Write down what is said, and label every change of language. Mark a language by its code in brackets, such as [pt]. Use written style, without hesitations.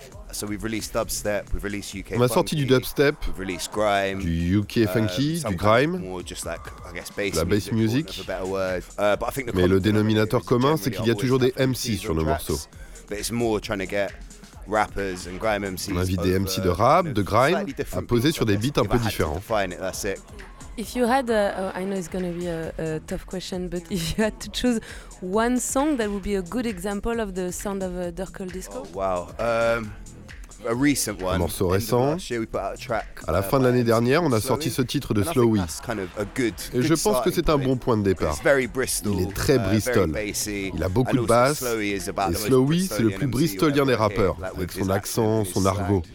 [fr] On a sorti du dubstep, du UK funky, du grime, la bass music. Mais le dénominateur commun, c'est qu'il y a toujours des MC sur nos morceaux. [en] but it's more trying to get rappers and grime MCs. [fr] On invite des MCs de rap, de grime, à poser sur des beats un peu différents. [en] If you had, I know it's going to be a tough question, but if you had to choose one song that would be a good example of the sound of a Dirk Cole disco? Oh, wow. A recent one. [fr] Un morceau récent. À la fin de l'année dernière, on a sorti ce titre de Slowy. Et je pense que c'est un bon point de départ. Il est très Bristol. Il a beaucoup de basse. Et Slowy, c'est le plus bristolien des rappeurs, avec son accent, son argot.